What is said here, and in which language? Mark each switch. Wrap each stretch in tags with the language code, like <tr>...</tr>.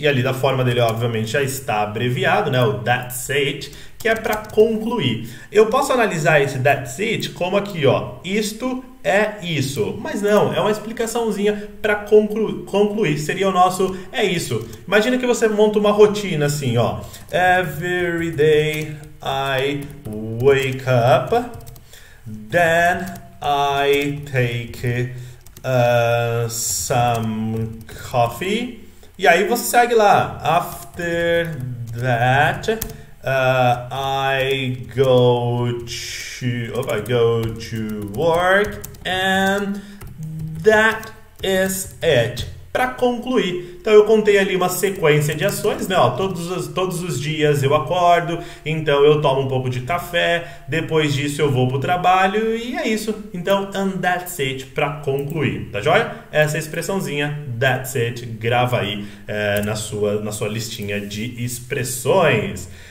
<pt>E ali da forma dele, obviamente, já está abreviado, né? O that's it, que é para concluir. Eu posso analisar esse that's it como aqui, ó. Isto é isso. Mas não, é uma explicaçãozinha para concluir. Seria o nosso é isso. Imagina que você monta uma rotina assim, ó.</pt> <en>Every day I wake up, then I take some coffee.</en> <pt>E aí você segue lá.</pt> <en>After that, I go to work, and that is it.</en> <pt>Para concluir. Então eu contei ali uma sequência de ações, né? Ó, todos os dias eu acordo, então eu tomo um pouco de café, depois disso eu vou pro trabalho e é isso. Então,</pt> <en>and that's it,</en> <pt>para concluir. Tá joia? Essa expressãozinha, that's it, grava aí na sua listinha de expressões.</pt>